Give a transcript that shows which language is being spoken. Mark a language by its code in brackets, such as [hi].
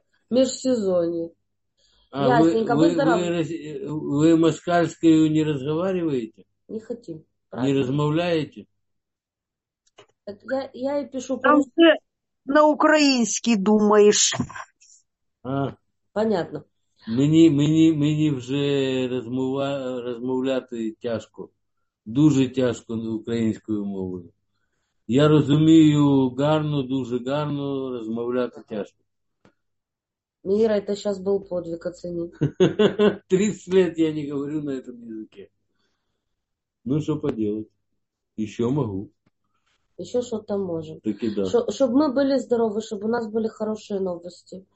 [ru] Межсезонье. А ясненько, вы москальскую не разговариваете? Не хотим. Правда. Не размовляете? Я и пишу. Там ты на украинский думаешь. А. Понятно. [uk] Мне вже розмовляти тяжко. Дуже тяжко на українською мовою. Я розумію гарно, дуже гарно, розмовляти тяжко. [ru] Мира, это сейчас был подвиг, оцени. 30 лет я не говорю на этом языке. Ну, что поделать. Еще могу. Еще что-то можем. Так и да. Чтобы мы были здоровы, чтобы у нас были хорошие новости.